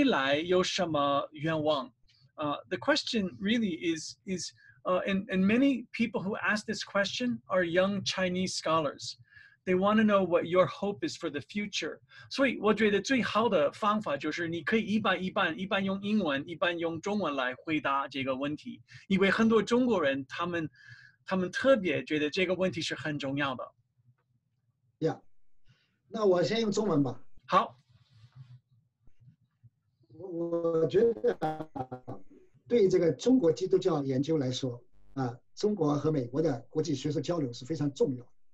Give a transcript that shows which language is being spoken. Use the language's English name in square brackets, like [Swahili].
[Chinese] 您对中国基督教研究的未来有什么愿望? [English] The question really is and many people who ask this question are young Chinese scholars. They want to know what your hope is for the future. [Chinese] 所以我觉得最好的方法就是你可以一半一半用英文，一半用中文来回答这个问题，因为很多中国人他们特别觉得这个问题是很重要的。Yeah，那我先用中文吧。好，我觉得对这个中国基督教研究来说，中国和美国的国际学术交流是非常重要的。